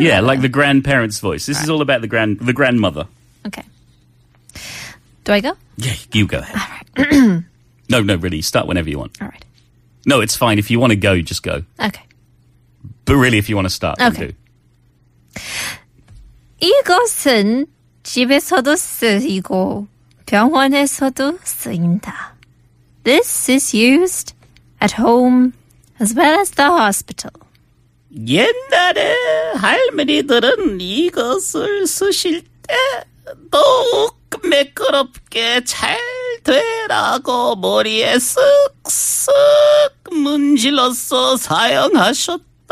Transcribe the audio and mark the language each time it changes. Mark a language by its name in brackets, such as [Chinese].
[English] Yeah, like the grandparents' voice. This is all about the grandmother. Okay. Do I go? Yeah, you go ahead. All right. No, really. Start whenever you want. All right. No, it's fine. If you want to go, just go. Okay. But really, if you want to start, then do. [Korean] 이것은 집에서도 쓰이고 병원에서도 쓰인다. [English] This is used at home as well as the hospital. [Korean] 옛날에 할머니들은 이것을 쓰실 때 더욱 매끄럽게 잘 되라고 머리에 쓱쓱 문질러서 사용하셨다.